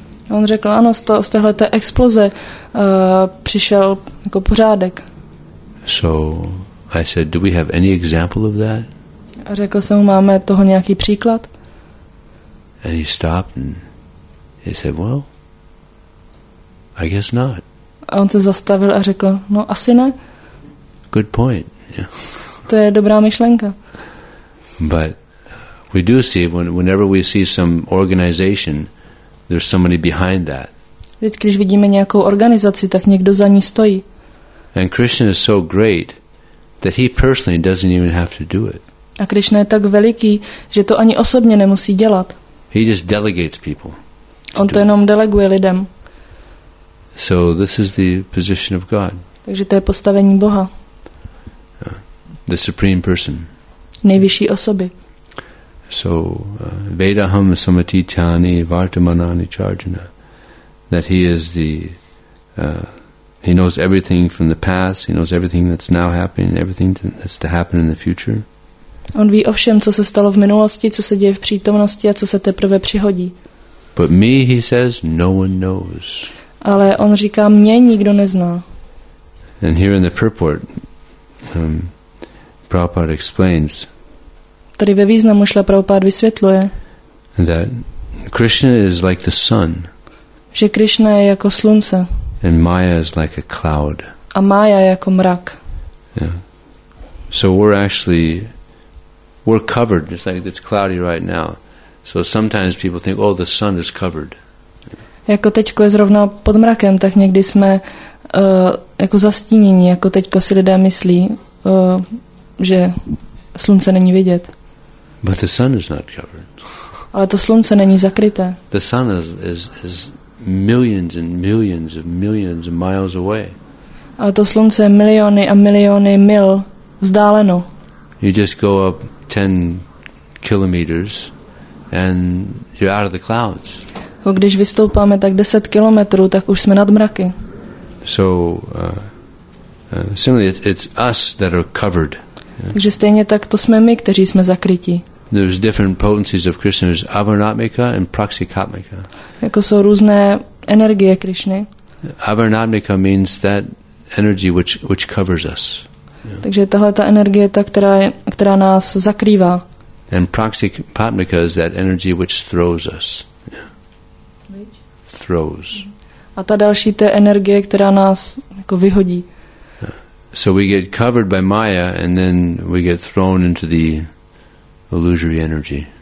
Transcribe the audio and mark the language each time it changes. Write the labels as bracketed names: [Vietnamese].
[Czech] On řekl, ano, z téhle té exploze přišel jako pořádek. [English] So I said, do we have any example of that? [Czech] A řekl jsem mu, máme toho nějaký příklad? [English] And he stopped and he said, well, I guess not. [Czech] A on se zastavil a řekl, no asi ne. [English] Good point. Yeah. [Czech] To je dobrá myšlenka. [English] But we do see, whenever we see some organization, there's somebody behind that. [Czech] Vždycky, když vidíme nějakou organizaci, tak někdo za ní stojí. [English] And Krishna is so great that he personally doesn't even have to do it. [Czech] A Krishna je tak veliký, že to ani osobně nemusí dělat. [English] He just delegates people. [Czech] On to jenom deleguje lidem. [English] So this is the position of God. [Czech] Takže to je postavení Boha. [English] The supreme person. [Czech] Nejvyšší osoby. [English] So [Sanskrit] Vedaham samati chani vartamanani charjana, [English] that he is the he knows everything from the past, he knows everything that's now happening, everything that's to happen in the future. [Czech] On ví o všem, co se stalo v minulosti, co se děje v přítomnosti a co se teprve přihodí. [English] But me, he says, no one knows. [Czech] Ale on říká, mě nikdo nezná. [English] And here in the purport, Prabhupada explains. [Czech] Tady ve významu Šla Prabhupada vysvětluje. [English] That Krishna is like the sun. [Czech] Že Krishna je jako slunce. [English] And Maya is like a cloud. [Czech] A Maya je jako mrak. [English] Yeah. So we're actually we're covered, just like it's cloudy right now. So sometimes people think, oh, the sun is covered. [Czech] Jako teďko je zrovna pod mrakem, tak někdy jsme jako zastínění, jako teďko si lidé myslí, že slunce není vidět. [English] But the sun is not covered. [Czech] Ale to slunce není zakryté. [English] The sun is millions and millions of millions of miles away. [Czech] A to slunce je miliony a miliony mil vzdáleno. [English] You just go up 10 kilometers and you're out of the clouds. [Czech] Když vystoupáme tak 10 kilometrů, tak už jsme nad mraky. [English] So similarly it's us that are covered. [Czech] Takže stejně tak to jsme my, kteří jsme zakrytí. [English] There's different potencies of Krishna, there's Avarnatmika and Prakshikatmika. [Czech] Jako jsou různé energie Krishny. [English] Avarnatmika means that energy which covers us. Yeah. [Czech] Takže tahle ta energie je ta, která nás zakrývá. [English] And Prakshikatmika is that energy which throws us. Yeah. Throws. [Czech] A ta další ta energie, která nás jako vyhodí. [English] Yeah. So we get covered by Maya and then we get thrown into the illusory energy.